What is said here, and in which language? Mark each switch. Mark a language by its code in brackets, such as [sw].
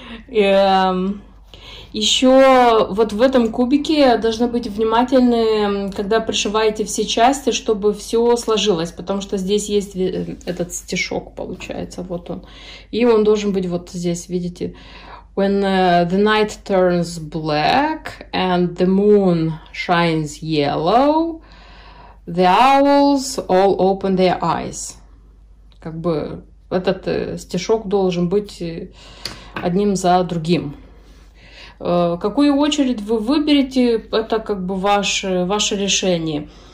[ru] Еще вот в этом кубике должны быть внимательны, когда пришиваете все части, чтобы все сложилось. Потому что здесь есть этот стежок, получается, вот он. И он должен быть вот здесь, видите. [en] When the night turns black and the moon shines yellow, the owls all open their eyes. [ru] Как бы этот стежок должен быть одним за другим. Какую очередь вы выберете, это как бы ваше решение.